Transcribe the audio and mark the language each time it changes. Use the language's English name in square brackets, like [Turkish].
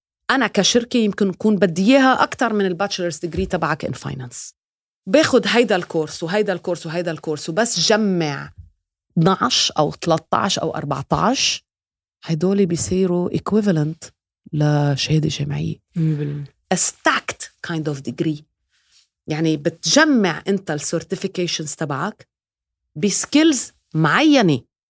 [Arabic] أنا كشركة يمكن أكون بدي إياها أكتر من الباتشلرز ديجري تبعك إن فاينانس. باخد هيدا الكورس وهيدا الكورس وهيدا الكورس وبس جمع 12 أو 13 أو 14، هيدولي بيصيروا equivalent لشهادة جامعية. [English] A stacked kind of degree. [Arabic] يعني بتجمع أنت السورتيفيكيشنز تبعك بسكيلز معينة.